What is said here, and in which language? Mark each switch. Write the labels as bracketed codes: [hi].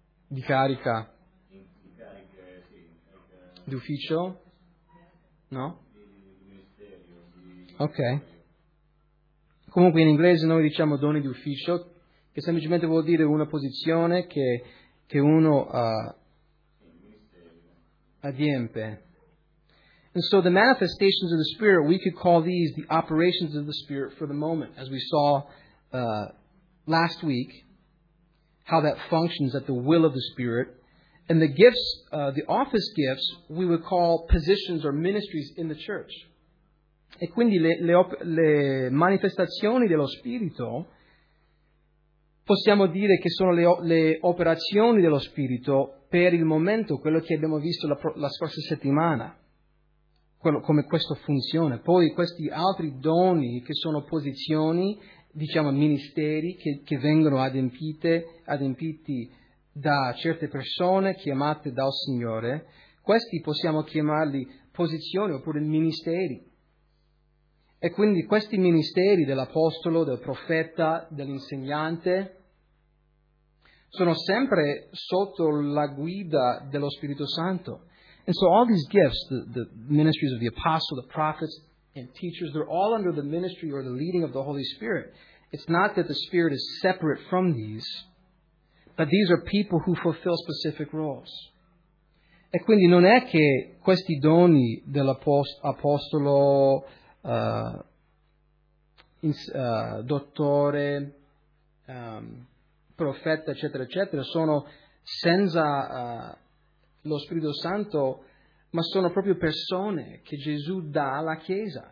[it] Di carica, di ufficio, no? Ok. Comunque in inglese noi diciamo doni di ufficio, che semplicemente vuol dire una posizione che uno adempie. [en] And so the manifestations of the Spirit, we could call these the operations of the Spirit for the moment, as we saw last week. How that functions at the will of the Spirit. And the gifts, the office gifts, we would call positions or ministries in the church. [it] E quindi le manifestazioni dello Spirito, possiamo dire che sono le operazioni dello Spirito per il momento quello che abbiamo visto la scorsa settimana, come questo funziona. Poi questi altri doni che sono posizioni, diciamo ministeri, che vengono adempiti da certe persone chiamate dal Signore, questi possiamo chiamarli posizioni oppure ministeri. E quindi questi ministeri dell'apostolo, del profeta, dell'insegnante, sono sempre sotto la guida dello Spirito Santo. [en] And so all these gifts, the ministries of the apostles, the prophets, and teachers, they're all under the ministry or the leading of the Holy Spirit. It's not that the Spirit is separate from these, but these are people who fulfill specific roles. [it] E quindi non è che questi doni dell'apostolo, dottore, profeta, eccetera, eccetera, sono senza lo Spirito Santo, ma sono proprio persone che Gesù dà alla Chiesa.